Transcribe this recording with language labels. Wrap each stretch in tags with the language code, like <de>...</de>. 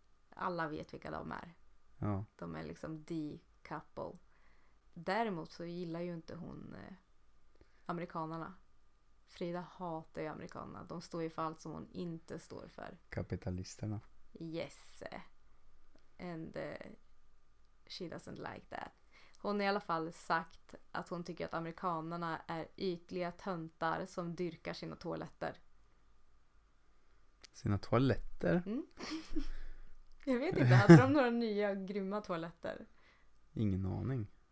<sv>Alla vet vilka de är. Ja. De är liksom</sv> <en>the couple.</en> <sv>Däremot så gillar ju inte hon amerikanerna. Frida hatar ju amerikanerna. De står ju för allt som hon inte står för. Kapitalisterna.</sv> <en>Yes. And she doesn't like that.</en> <sv>Hon har i alla fall sagt att hon tycker att amerikanerna är ytliga töntar som dyrkar sina toaletter. Sina toaletter? Mm. Jag vet inte, hade de några nya grymma toaletter? Ingen aning.</sv>